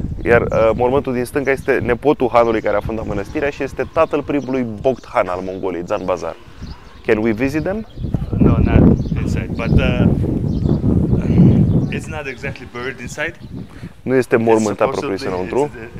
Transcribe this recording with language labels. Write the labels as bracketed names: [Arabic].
[Romanian] Iar mormântul din stânga este nepotul hanului care a fondat mănăstirea și este tatăl primului Bogdan al Mongoliei, Zanbazar. [English] Can we visit them? No, not inside, but it's not exactly buried inside. [Romanian] Nu este mormânt apropiat înăuntru.